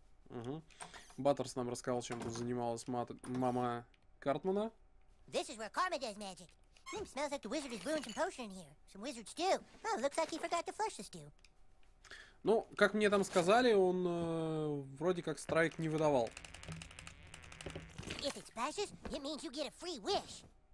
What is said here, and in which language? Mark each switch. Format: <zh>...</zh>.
<ru>Угу. Баттерс нам рассказал, чем тут занималась мама Картмана.</ru> <en>This is where Karma does magic. It smells like the wizard is brewing some potion in here. Some wizards do. Oh, looks like he forgot to flush the stew.</en> <ru>Ну, как мне там сказали, он вроде как страйк не выдавал.</ru> <en>If it splashes, it means you get a free wish.</en>